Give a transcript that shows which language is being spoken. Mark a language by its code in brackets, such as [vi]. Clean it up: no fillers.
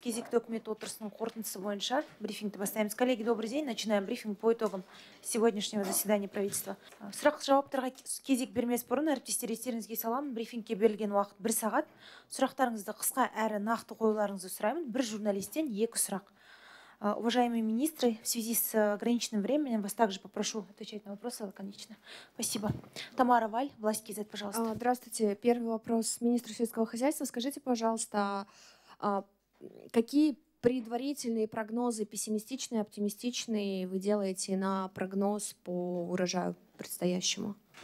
[kk] Кезекті үкімет отырысының қорытындысы бойынша брифингті бастаймыз. [ru] Коллеги, добрый день. Начинаем брифинг по итогам сегодняшнего заседания правительства. [kk] Сұрақ-жауаптарға кезек бермес бұрын, әріптестер, естеріңізге саламын. Брифингке берілген уақыт 1 сағат. Сұрақтарыңызды қысқа әрі нақты қоюларыңызды сұраймын. Бір журналистен 2 сұрақ. [ru] Уважаемые министры, в связи с ограниченным временем вас также попрошу отвечать на вопросы лаконично. Спасибо. Тамара Валь, власть Кизет, пожалуйста. Здравствуйте. Первый вопрос министру сельского хозяйства. Скажите, пожалуйста, какие предварительные прогнозы, пессимистичные, оптимистичные, вы делаете на прогноз по урожаю предстоящему?